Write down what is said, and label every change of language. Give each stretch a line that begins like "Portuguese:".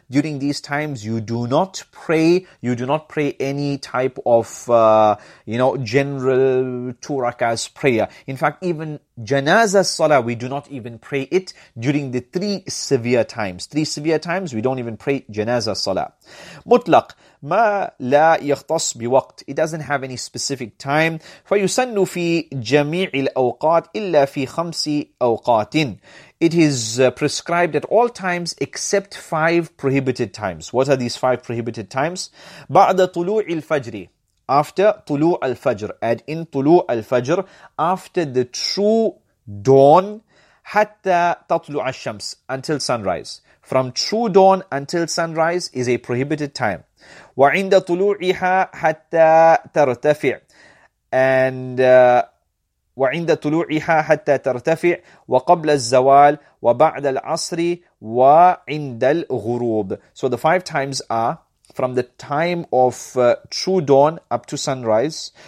English: During these times, you do not pray. You do not pray any type of, general two rakahs prayer. In fact, even janazah salah, we do not even pray it during the three severe times. Three severe times, we don't even pray janazah salah.
Arabic: Mutlaq. ما لا يختص بوقت.
English: It doesn't have any specific time.
Arabic: فيسن في جميع الأوقات إلا في خمس أوقات.
English: It is prescribed at all times except five prohibited times. What are these five prohibited times?
Arabic: بعد طلوع الفجر.
English: After
Arabic: طلوع الفجر.
English: Add in
Arabic: طلوع الفجر.
English: After the true dawn.
Arabic: حتى تطلع الشمس.
English: Until sunrise. From true dawn until sunrise is a prohibited time.
Arabic: وعند طلوعها حتى ترتفع and وعند طلوعها حتى ترتفع وقبل الزوال وبعد العصر وعند الغروب.
English: So the five times are from the time of true dawn up to sunrise.